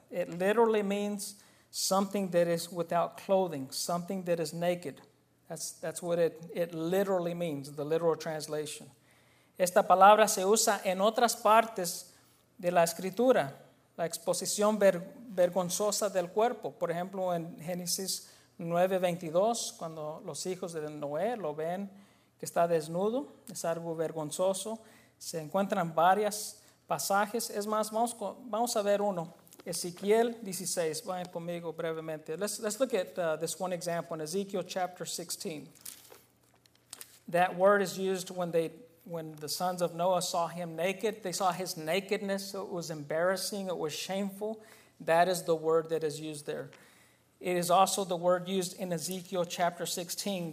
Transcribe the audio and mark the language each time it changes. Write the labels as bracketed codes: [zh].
[en] It literally means something that is without clothing, something that is naked. That's what it literally means, the literal translation. [es] Esta palabra se usa en otras partes de la escritura, la exposición vergonzosa del cuerpo. Por ejemplo, en Génesis 9:22, cuando los hijos de Noé lo ven que está desnudo, es algo vergonzoso. Se encuentran varias pasajes. Es más, vamos a ver uno. Ezequiel 16. Vayan conmigo brevemente. [en] Let's look at this one example in Ezekiel chapter 16. That word is used when the sons of Noah saw him naked. They saw his nakedness. So it was embarrassing. It was shameful. That is the word that is used there. It is also the word used in Ezekiel chapter 16.